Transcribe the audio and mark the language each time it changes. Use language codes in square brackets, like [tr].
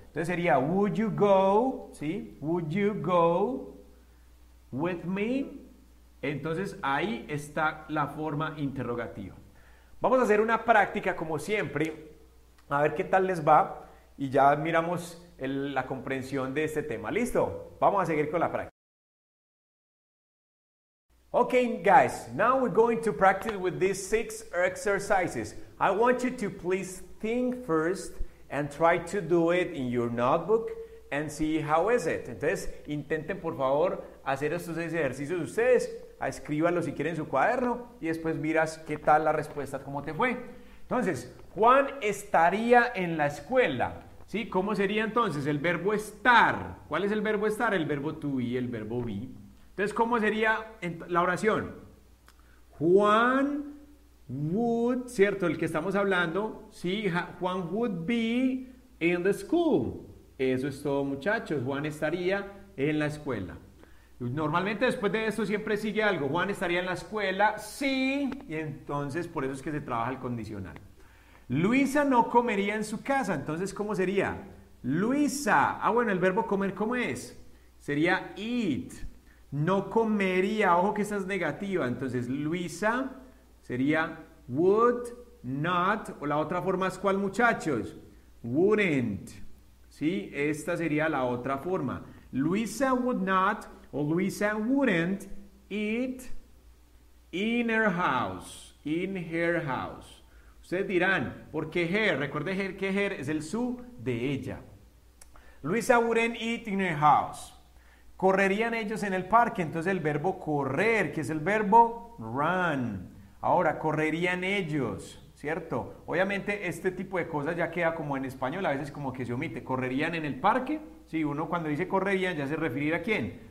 [es] Entonces sería, [en] ¿would you go? ¿Sí? ¿Would you go with me? [es] Entonces ahí está la forma interrogativa. Vamos a hacer una práctica como siempre, a ver qué tal les va y ya miramos la comprensión de este tema. ¿Listo? Vamos a seguir con la práctica. [en] Okay, guys, now we're going to practice with these six exercises. I want you to please think first and try to do it in your notebook and see how is it. [es] Entonces, intenten, por favor, hacer estos ejercicios ustedes. Escríbanlo si quieren en su cuaderno y después miras qué tal la respuesta, cómo te fue. Entonces, Juan estaría en la escuela. ¿Sí? ¿Cómo sería entonces el verbo estar? ¿Cuál es el verbo estar? El verbo to be, el verbo be. Entonces, ¿cómo sería la oración? [en] Juan would, [es] ¿cierto? El que estamos hablando, sí, [en] Juan would be in the school. [es] Eso es todo, muchachos. Juan estaría en la escuela. Normalmente, después de esto, siempre sigue algo. Juan estaría en la escuela, sí. Y entonces, por eso es que se trabaja el condicional. Luisa no comería en su casa. Entonces, ¿cómo sería? Luisa. Bueno, el verbo comer, ¿cómo es? Sería eat. No comería, ojo que esta es negativa. Entonces, Luisa sería would not, o la otra forma es ¿cuál, muchachos? Wouldn't. ¿Sí? Esta sería la otra forma. [en] Luisa would not o Luisa wouldn't eat in her house. In her house. [es] Ustedes dirán, ¿por qué her? Recuerde her, que her es el su de ella. [en] Luisa wouldn't eat in her house. [es] ¿Correrían ellos en el parque? Entonces el verbo correr, que es el verbo run. Ahora, ¿correrían ellos? ¿Cierto? Obviamente este tipo de cosas ya queda como en español, a veces como que se omite. ¿Correrían en el parque? Sí, uno cuando dice correrían ya se refiere a quién.